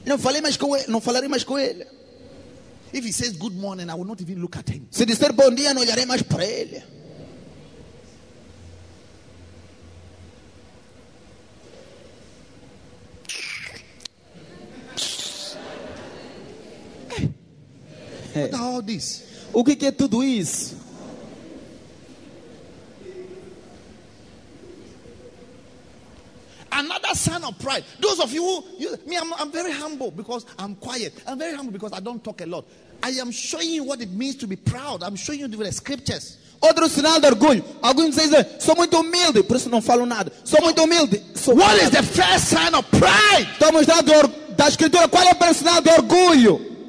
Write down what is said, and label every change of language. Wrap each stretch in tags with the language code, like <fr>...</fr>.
<pt>Não falarei mais com ele.</pt> <en>If he says good morning, I will not even look at him.</en> <pt>Se disser bom dia, não olharei mais para ele.</pt> <en>What all this?</en> <pt>O que é tudo isso?</pt> <en>Another sign of pride. Those of you who, I'm very humble because I'm quiet. I'm very humble because I don't talk a lot. I am showing you what it means to be proud. I'm showing you the scriptures.</en> <pt>Outro sinal de orgulho. Alguns dizem, sou muito humilde, por isso não falo nada. Sou muito humilde.</pt> <en>What is the first sign of pride?</en> <pt>Estou mostrando da escritura. Qual é o primeiro sinal de orgulho?</pt>